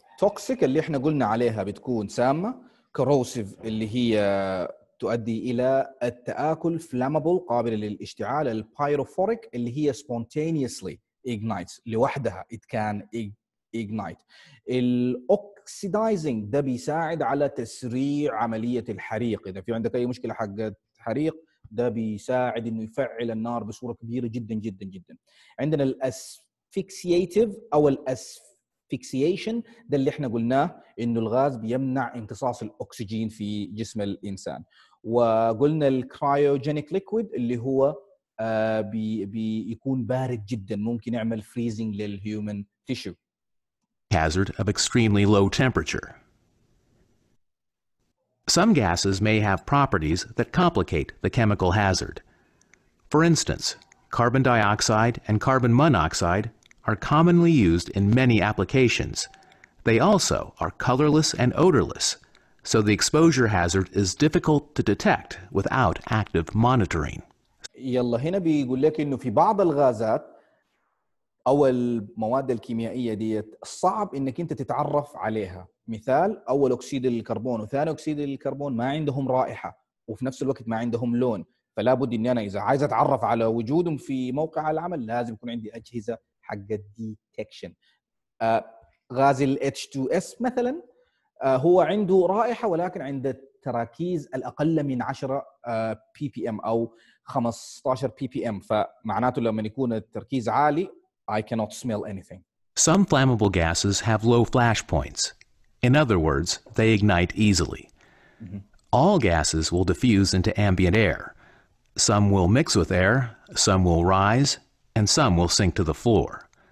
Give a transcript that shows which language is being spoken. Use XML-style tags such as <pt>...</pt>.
<ar>Toxic اللي احنا قلنا عليها بتكون سامة. Corrosive اللي هي تؤدي إلى التآكل. Flammable قابلة للاشتعال.</ar> <en>Pyrophoric</en> <ar>اللي هي</ar> <en>spontaneously ignites.</en> <ar>لوحدها</ar> <en>it can ignite.</en> <ar>Oxidizing ده بيساعد على تسريع عملية الحريق. إذا في عندك أي مشكلة حق حريق ده بيساعد إنه يفعل النار بصورة كبيرة جدا جدا جدا. عندنا asphyxiative أو asphyxiation ده اللي احنا قلناه إنه الغاز بيمنع امتصاص الأكسجين في جسم الإنسان. وقلنا cryogenic liquid اللي هو بيكون بارد جدا ممكن يعمل</ar> <en>freezing</en> <ar>للhuman tissue.</ar> <en>Hazard of extremely low temperature. Some gases may have properties that complicate the chemical hazard. For instance, carbon dioxide and carbon monoxide are commonly used in many applications. They also are colorless and odorless, so the exposure hazard is difficult to detect without active monitoring.</en> <ar>يلا هنا بيقول لك إنه في بعض الغازات أو المواد الكيميائية دي صعب إنك أنت تتعرف عليها. مثال أول أكسيد الكربون وثاني أكسيد الكربون ما عندهم رائحة وفي نفس الوقت ما عندهم لون فلا بد إني أنا إذا عايز أتعرف على وجودهم في موقع العمل لازم يكون عندي أجهزة حق الديتكشن. غاز الـ H2S مثلا هو عنده رائحة ولكن عند التراكيز الأقل من 10 ppm أو 15 ppm فمعناته لما يكون التركيز عالي</ar> <en>I cannot smell anything. Some flammable gases have low flash points. In other words, they ignite easily. Mm-hmm. All gases will diffuse into ambient air. Some will mix with air, some will rise, and some will sink to the floor.</en>